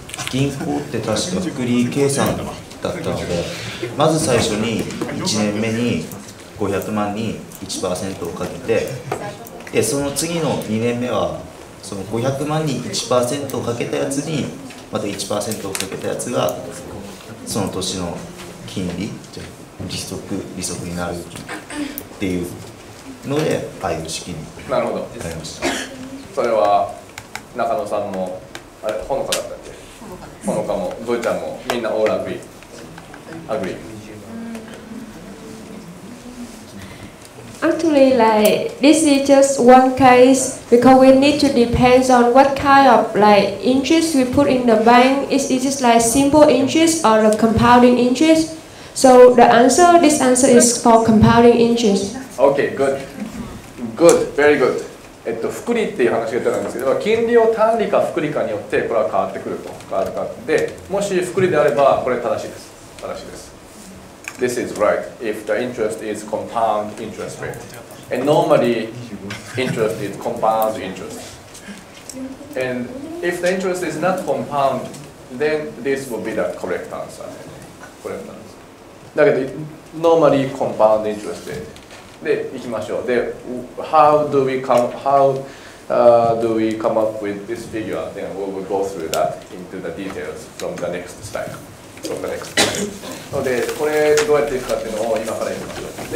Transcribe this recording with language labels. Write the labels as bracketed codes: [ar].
[ja] 銀行って確か複利計算だったので、まず最初に1年目に500万に 1% をかけて、でその次の2年目はその500万に 1% をかけたやつに、また 1% をかけたやつがその年の金利、じゃ利息になるっていうので、ああいう式になりました。それは中野さんも、あれ、ほのかだったっけ、ほのかも、ぞいちゃんも、みんなオールアグリー、アグリ [en] Actually, like, this is just one case because we need to depend on what kind of like interest we put in the bank. Is it like simple interest or the compounding interest? So the answer, this answer is for compounding interest. Okay, good. Good, very good. [ja] 複利っていう話が出たんですけど、金利を単利か複利かによってこれは変わってくると。変わるかで、もし複利であればこれ正しいです。正しいです。 [en] This is right. If the interest is compound interest rate, and normally interest is compound interest, and if the interest is not compound, then this will be the correct answer. Correct answer. [ja] だけど [en] normally compound interest rate. [ja] で行きましょう。 [en] で、how do we come up with this figure? Then we will go through that into the details from the next slide. [ja] これどうやっていくかっていうのを今から言いますよ。